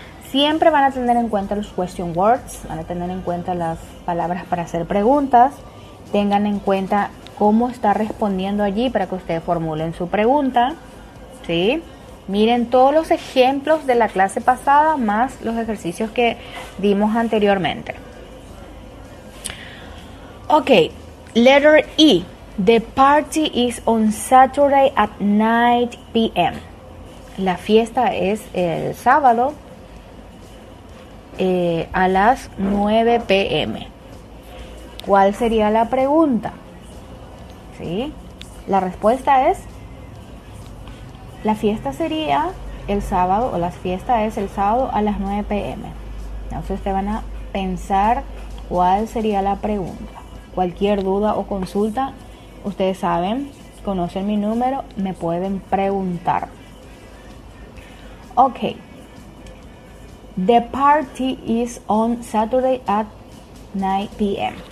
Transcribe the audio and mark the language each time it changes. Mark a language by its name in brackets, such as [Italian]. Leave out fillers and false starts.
[Spanish] Siempre van a tener en cuenta los [English] question words, [Spanish] van a tener en cuenta las palabras para hacer preguntas. Tengan en cuenta cómo está respondiendo allí para que ustedes formulen su pregunta. ¿Sí? Miren todos los ejemplos de la clase pasada más los ejercicios que dimos anteriormente. [English] Ok, letter E. The party is on Saturday at 9 p.m. [Spanish] La fiesta es el sábado a las 9 p.m. ¿Cuál sería la pregunta? ¿Sí? La respuesta es, la fiesta sería el sábado, o la fiesta es el sábado a las 9 p.m. Entonces ustedes van a pensar cuál sería la pregunta. Cualquier duda o consulta, ustedes saben, conocen mi número, me pueden preguntar. Ok. [English] The party is on Saturday at 9 p.m.